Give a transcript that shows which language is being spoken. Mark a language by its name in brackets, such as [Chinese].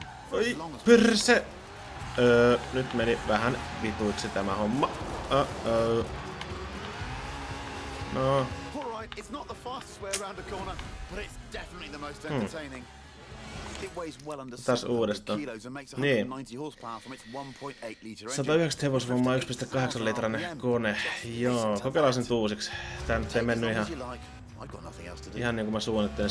[Finnish] Oi, pyrse! Nyt meni vähän vituiksi tämä homma. No. [English] Alright, it's not the fastest way around the corner, but it's definitely the most entertaining. It weighs well under 190 horsepower from its 1.8 liter engine. [Finnish] 190 hevosvoimaa, 1.8 litrainen kone. Joo, kokeillaan sen uusiksi. Tää nyt ei mennyt ihan. Ihan niin kuin mä suunnittelin.